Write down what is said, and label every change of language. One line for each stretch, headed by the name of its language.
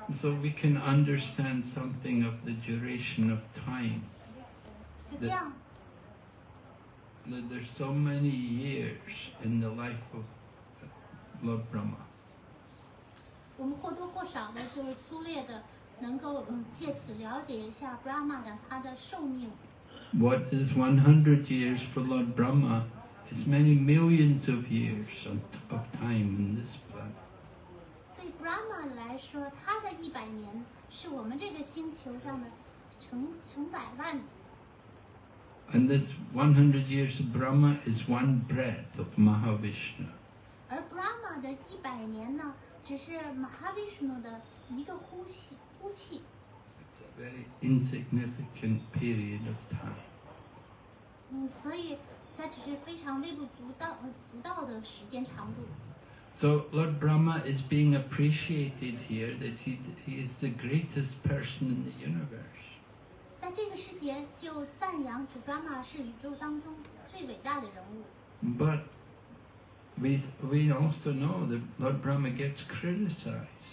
English: So we can understand something of the duration of time.
Chinese: 就这样。
English: That there's so many years in the life of Lord Brahma.
Chinese: 我们或多或少的，就是粗略的，能够借此了解一下 Brahma 的他的寿命。
English: What is 100 years for Lord Brahma is many millions of years of time in this planet.
Chinese: 对 Brahma 来说，他的一百年是我们这个星球上的成百万。
English: And this 100 years of Brahma is one breath of Mahavishnu.
Chinese: 而 Brahma 的一百年呢，只是 Mahavishnu 的一个呼气。
English: Very insignificant period of time.
Chinese: 所以它只是非常微不足道的时间长度。
English: So Lord Brahma is being appreciated here that he is the greatest person in the universe.
Chinese: 在这个世界就赞扬主 Brahma 是宇宙当中最伟大的人物。
English: But we also know that Lord Brahma gets criticized.